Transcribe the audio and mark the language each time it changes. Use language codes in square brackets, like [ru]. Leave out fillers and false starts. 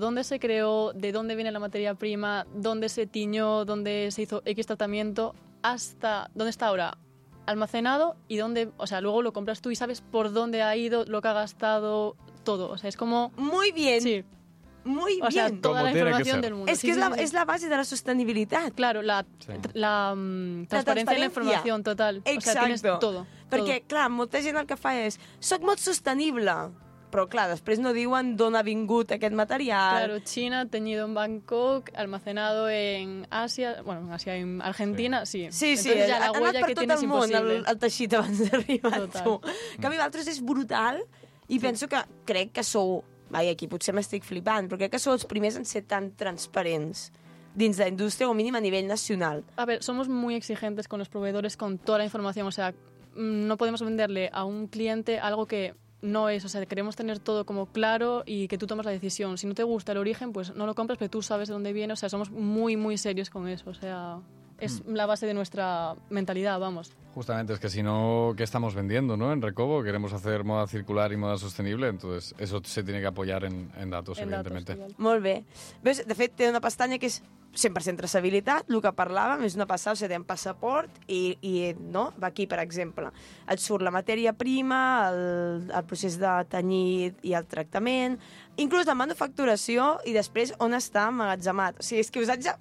[es] Dónde se creó, de dónde viene la materia prima, dónde se tiñó, dónde se hizo X tratamiento, hasta dónde está ahora almacenado y dónde... O sea, luego lo compras tú y sabes por dónde ha ido, lo que ha gastado, todo. O sea, es como... Muy bien. Sí. muy o O sea, toda la información del mundo. Es que sí, es la base de la sostenibilidad. Claro, la transparencia de la información total. Exacto. O sea, tienes todo. [ca] Perquè, clar, molta gent el que fa és, soc molt sostenible, però clar, després no diuen d'on ha vingut aquest material. [es] Claro, China, teñido en Bangkok, almacenado en Asia, bueno, en Asia, en Argentina, sí. [ca] Sí, sí, ha anat per tot el món el teixit abans d'arribar a tu. En canvi, d'altres és brutal i penso que crec que sou, vai, aquí potser m'estic flipant, però crec que sou els primers en ser tan transparents dins de la indústria, o mínim a nivell nacional. [es] A ver, somos muy exigentes con los proveedores, con toda la información, o sea, no podemos venderle a un cliente algo que no es, o sea, queremos tener todo como claro y que tú tomas la decisión. Si no te gusta el origen, pues no lo compras, pero tú sabes de dónde viene, o sea, somos muy, muy serios con eso, o sea, es la base de nuestra mentalidad, vamos. Justamente, es que si no, ¿qué estamos vendiendo, no? En Recobo queremos hacer moda circular y moda sostenible, entonces eso se tiene que apoyar en datos, en evidentemente. Datos, [ca] molt bé. ¿Ves? De fet, té una pestaña que es 100% traçabilitat, el que parlàvem és una passada, o sigui, té un passaport i no? Va aquí, per exemple. Et surt la matèria prima, el procés de tenyit i el tractament, inclús la manufacturació i després on està emmagatzemat. O sigui, és que us haig de...